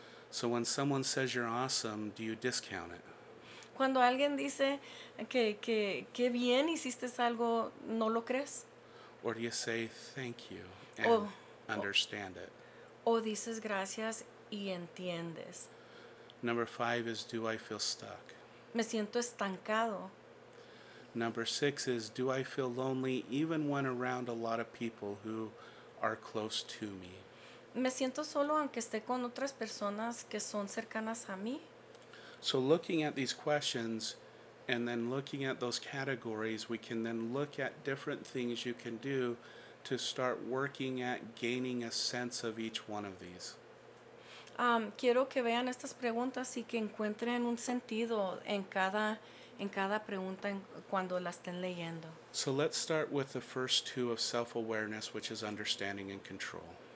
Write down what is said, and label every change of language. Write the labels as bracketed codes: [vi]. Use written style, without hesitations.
[en] So when someone says you're awesome, do you discount it? [es] Cuando alguien dice que bien hiciste algo, ¿no lo crees? [en] Or do you say thank you and understand it? [es] O dices gracias y entiendes. [en] Number five is, do I feel stuck? [es] Me siento estancado. [en] Number six is, do I feel lonely even when around a lot of people who are close to me? [es] Me siento solo aunque esté con otras personas que son cercanas a mí. [en] So looking at these questions and then looking at those categories, we can then look at different things you can do to start working at gaining a sense of each one of these. [es] Quiero que vean estas preguntas y que encuentren un sentido en cada pregunta cuando la estén leyendo. [en] So let's start with the first two of self-awareness, which is understanding and control.